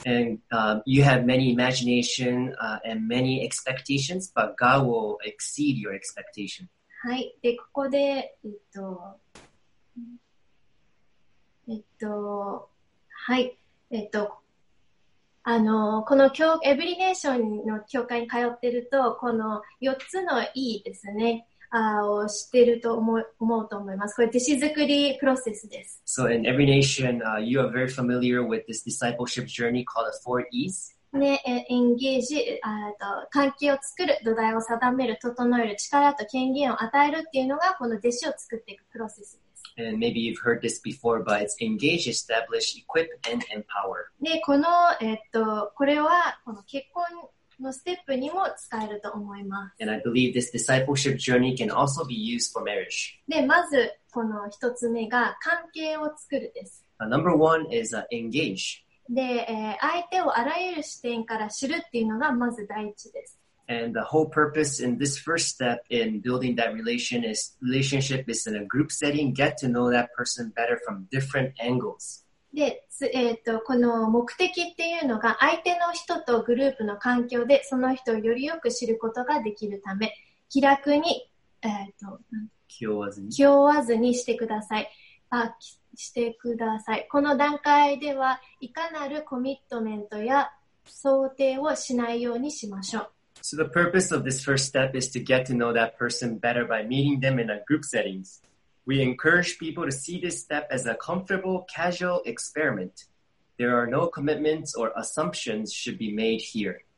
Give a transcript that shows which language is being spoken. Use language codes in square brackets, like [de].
[en] And you have many imagination and many expectations, but God will exceed your expectation. [ja] はい。で、ここで、はい。この教、エブリネーションの教会に通ってると、この4つの E ですね、を知ってると思うと思います。これ、弟子作りプロセスです。 [en] So in every nation, you are very familiar with this discipleship journey called the four E's. [ja] ね、エンゲージ、関係を作る、土台を定める、整える、力と権限を与えるっていうのが、この弟子を作っていくプロセスです。 [en] And maybe you've heard this before, but it's engage, establish, equip, and empower. [ja] で、この、これは、この結婚のステップにも使えると思います。 [en] And I believe this discipleship journey can also be used for marriage. [ja] で、まず、この一つ目が、関係を作るです。 [en] Number one is engage. [ja] で、相手をあらゆる視点から知るっていうのがまず第一です。 [en] And the whole purpose in this first step in building that relationship is in a group setting, get to know that person better from different angles. [ja] で、この目的っていうのが相手の人とグループの環境でその人をよりよく知ることができるため、気楽に、気負わずにしてください。してください。この段階ではいかなるコミットメントや想定をしないようにしましょう。 [en] So the purpose of this first step is to get to know that person better by meeting them in a group settings. We encourage people to see this step as a comfortable, casual experiment. There are no commitments or assumptions should be made here.